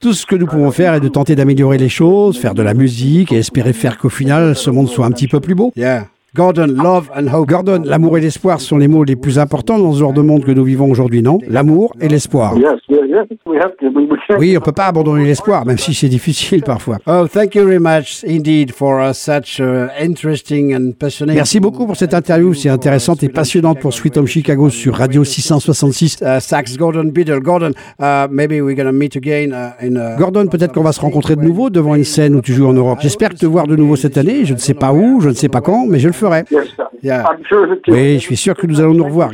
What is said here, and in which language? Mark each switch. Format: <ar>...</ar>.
<fr>Tout ce que nous pouvons faire est de tenter d'améliorer les choses, faire de la musique et espérer faire qu'au final, ce monde soit un petit peu plus beau.</fr> <en>Yeah. Gordon, love and hope.</en> <fr>Gordon, l'amour et l'espoir sont les mots les plus importants dans ce genre de monde que nous vivons aujourd'hui, non? L'amour et l'espoir. Oui, on ne peut pas abandonner l'espoir, même si c'est difficile parfois.</fr> <en>Oh, thank you very much indeed for such interesting and passionate.</en> <fr>Merci beaucoup pour cette interview si intéressante et passionnante pour Sweet Home Chicago sur Radio 666. Sax Gordon Biddle.</fr> <en>Gordon, maybe we're going to meet again in.</en> <fr>Gordon, peut-être qu'on va se rencontrer de nouveau devant une scène où tu joues en Europe. J'espère te voir de nouveau cette année. Je ne sais pas où, je ne sais pas quand, mais je le ferai.</fr> <en>Yeah.</en> <fr>Oui, je suis sûr que nous allons nous revoir.</fr>